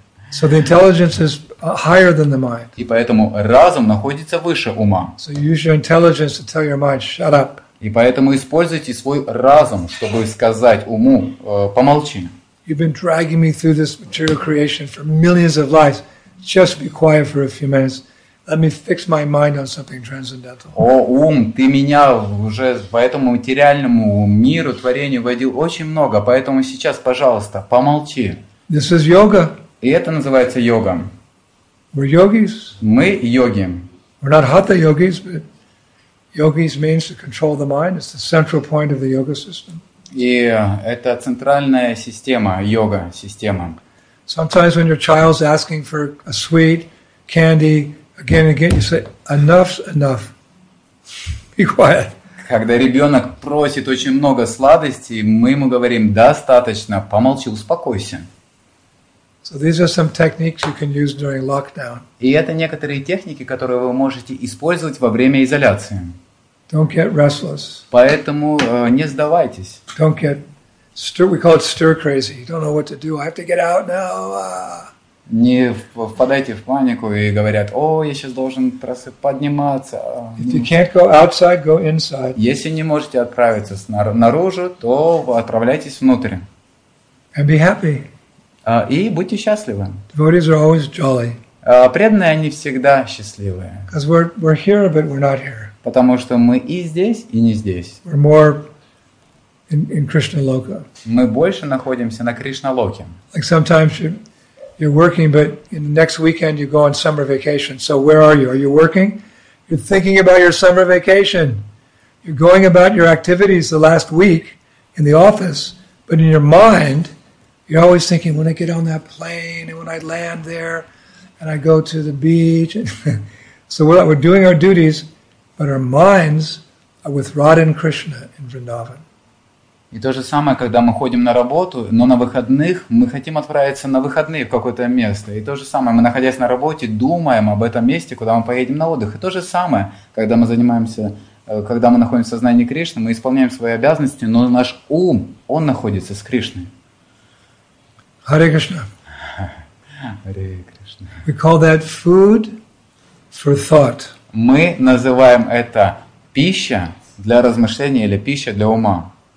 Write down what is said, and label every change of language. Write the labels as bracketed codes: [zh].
[en] So the intelligence is higher than the mind. [ru] И поэтому разум находится выше ума. [en] So use your intelligence to tell your mind, shut up. [ru] И поэтому используйте свой разум, чтобы сказать уму, помолчи. [en] You've been dragging me through this material creation for millions of lives. Just be quiet for a few minutes. Let me fix my mind on something transcendental. [ru] О, ум, ты меня уже по этому материальному миру, творению водил очень много, поэтому сейчас, пожалуйста, помолчи. [en] This is yoga. [ru] И это называется йога. [en] We're yogis. [ru] Мы йоги. [en] We're not hatha yogis, but yogis means to control the mind. It's the central point of the yoga system. [ru] И это центральная система, йога-система. [en] Sometimes when your child's asking for a sweet candy, again and again, you say, enough, enough. Be quiet. [ru] Когда ребенок просит очень много сладостей, мы ему говорим, достаточно, помолчи, успокойся. [en] So these are some techniques you can use during lockdown. [ru] И это некоторые техники, которые вы можете использовать во время изоляции. [en] Don't get restless. [ru] Поэтому не сдавайтесь. [en] Don't get stir. We call it stir crazy. You don't know what to do. I have to get out now. [ru] Не впадайте в панику и говорят, о, я сейчас должен подниматься. [en] If you can't go outside, go inside. [ru] Если не можете отправиться наружу, то отправляйтесь внутрь. [en] And be happy. [ru] И будьте счастливы. [en] Devotees are always jolly. [ru] Преданные, они всегда счастливые. [en] Because we're here, but we're not here. [ru] Потому что мы и здесь, и не здесь. [en] We're more in Krishna Loka. [ru] Мы больше находимся на Кришналоке. [en] Like sometimes you're working, but in the next weekend you go on summer vacation. So where are you? Are you working? You're thinking about your summer vacation. You're going about your activities the last week in the office, but in your mind, you're always thinking, when I get on that plane, and when I land there, and I go to the beach. So we're doing our duties, but our minds are with Radha and Krishna in Vrindavan. [ru] И то же самое, когда мы ходим на работу, но на выходных, мы хотим отправиться на выходные в какое-то место. И то же самое, мы, находясь на работе, думаем об этом месте, куда мы поедем на отдых. И то же самое, когда мы находимся в сознании Кришны, мы исполняем свои обязанности, но наш ум, он находится с Кришной. [sa] Hare Krishna. Hare Krishna. [en] We call that food for thought. [ru] Мы называем это пища для размышления или пища для ума.